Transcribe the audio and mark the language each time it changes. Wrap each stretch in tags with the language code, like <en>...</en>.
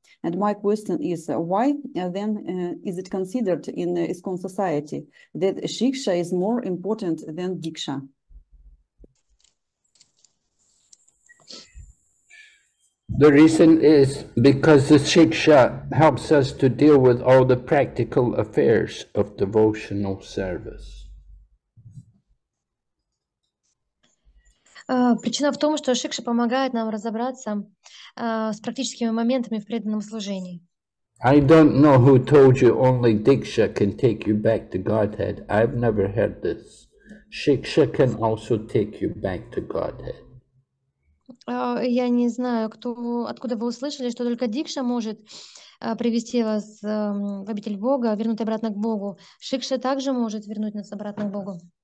<en>And my question is, why then is it considered in ISKCON society that shiksha is more important than diksha? The reason is because the shiksha helps us to deal with all the practical affairs of devotional service.</en> <ru>Причина в том, что шикша помогает нам разобраться с практическими моментами в преданном служении.</ru> <en>I don't know who told you only diksha can take you back to Godhead. I've never heard this. Shiksha can also take you back to Godhead.</en> <ru>Я не знаю, откуда вы услышали, что только дикша может привести вас в обитель Бога, вернуть обратно к Богу. Шикша также может вернуть нас обратно к Богу.</ru>